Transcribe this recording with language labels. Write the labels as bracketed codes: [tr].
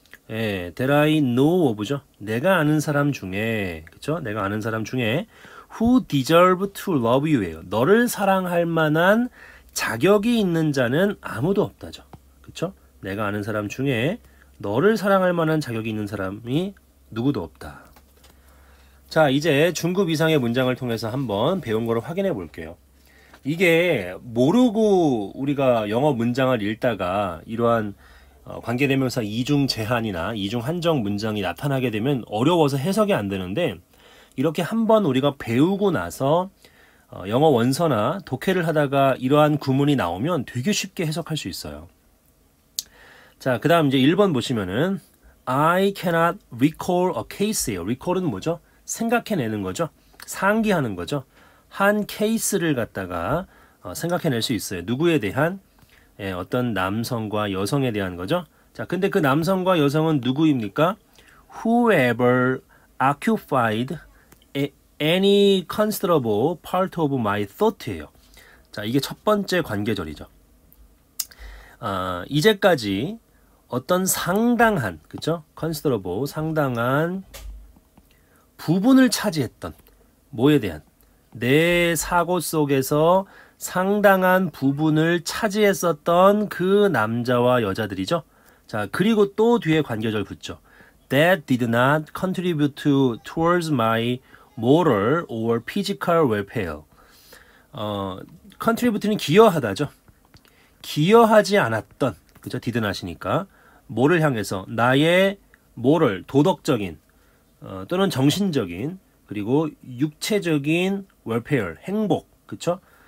[en] 예, there I know of죠. [ko] 내가 아는 사람 중에, 그쵸? 내가 아는 사람 중에 [en] who deserve to love you [ko] 예요. 너를 사랑할 만한 자격이 있는 자는 아무도 없다죠. 그쵸? 내가 아는 사람 중에 너를 사랑할 만한 자격이 있는 사람이 누구도 없다. 자, 이제 중급 이상의 문장을 통해서 한번 배운 거를 확인해 볼게요. 이게 모르고 우리가 영어 문장을 읽다가 이러한 관계대명사 이중 제한이나 이중 한정 문장이 나타나게 되면 어려워서 해석이 안 되는데, 이렇게 한번 우리가 배우고 나서 영어 원서나 독해를 하다가 이러한 구문이 나오면 되게 쉽게 해석할 수 있어요. 자, 그 다음 이제 1번 보시면은 [en] I cannot recall a case [ko] 예요. recall은 뭐죠? 생각해내는 거죠. 상기하는 거죠. 한 케이스를 갖다가 생각해낼 수 있어요. 누구에 대한? 예, 어떤 남성과 여성에 대한 거죠. 자, 근데 그 남성과 여성은 누구입니까? [en] Whoever occupied any considerable part of my thought예요. [ko] 자, 이게 첫 번째 관계절이죠. 이제까지 어떤 상당한, 그쵸? considerable, 상당한 부분을 차지했던 뭐에 대한? 내 사고 속에서 상당한 부분을 차지했었던 그 남자와 여자들이죠. 자, 그리고 또 뒤에 관계절 붙죠. [en] That did not contribute towards my moral or physical welfare. [ko] Contribute는 기여하다죠. 기여하지 않았던, 그죠? did not이니까. 뭐를 향해서? 나의 moral, 도덕적인, 또는 정신적인, 그리고 육체적인 welfare, 행복, 그쵸?